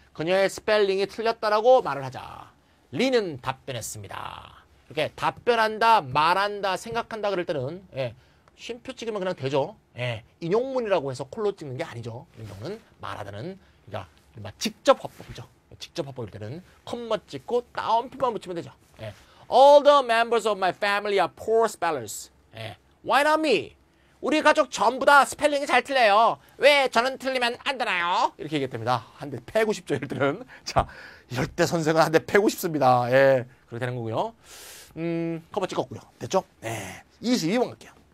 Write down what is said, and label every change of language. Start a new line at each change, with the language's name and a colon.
Korean: 그녀의 스펠링이 틀렸다라고 말을 하자. 리는 답변했습니다. 이렇게 답변한다, 말한다, 생각한다 그럴 때는, 예, 쉼표 찍으면 그냥 되죠. 예, 인용문이라고 해서 콜로 찍는 게 아니죠. 이런 경우는 말하다는, 그러니까 직접 화법이죠. 직접 화법일 때는 컷만 찍고 따옴표만 붙이면 되죠. 예.
English: All the members of my family are poor spellers. 예. Why not me?
Korean: 우리 가족 전부 다 스펠링이 잘 틀려요. 왜 저는 틀리면 안 되나요? 이렇게 얘기했답니다. 한대 패고 싶죠, 이들은. 자, 이럴 때 선생은 한대 패고 싶습니다. 예. 그렇게 되는 거고요. 컷만 찍었고요. 됐죠? 네. 예. 22번 갈게요.